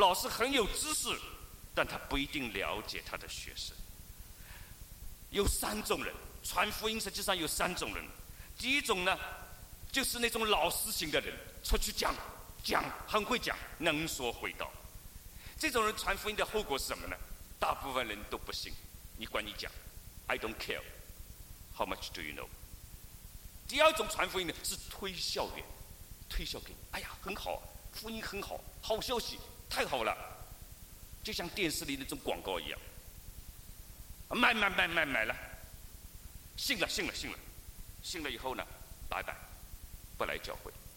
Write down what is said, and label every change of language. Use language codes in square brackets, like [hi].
[zh] 老师很有知识，但他不一定了解他的学生。有三种人，传福音实际上有三种人。第一种呢，就是那种老师型的人，出去讲讲，很会讲，能说会道。这种人传福音的后果是什么呢？大部分人都不信，你管你讲 [en] I don't care How much do you know。 [zh] 第二种传福音呢，是推销员，推销给你，哎呀很好，福音很好，好消息，太好了，就像电视里那种广告一样，买买买买买了，信了信了信了，信了以后呢，拜拜，不来教会。